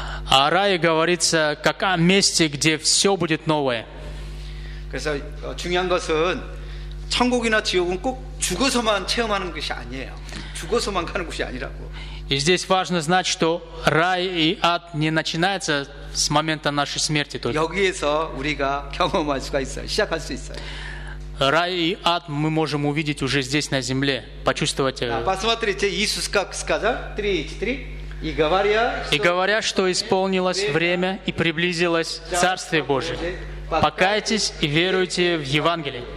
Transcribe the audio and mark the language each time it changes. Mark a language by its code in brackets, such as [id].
[ru] А рай говорится как о месте, где все будет новое. [ko] 그래서 중요한 것은 천국이나 지옥은 꼭 죽어서만 체험하는 것이 아니에요. 죽어서만 가는 곳이 아니라고. [ru] И здесь важно знать, что рай и ад не начинается с момента нашей смерти только. [ko] 여기에서 우리가 경험할 수가 있어요. 시작할 수 있어요. [ru] Рай и ад мы можем увидеть уже здесь на земле, почувствовать. А посмотрите, Иисус как сказал, 3:3, и говоря, что исполнилось время и приблизилось Царствие Божие. Покайтесь и веруйте в Евангелие.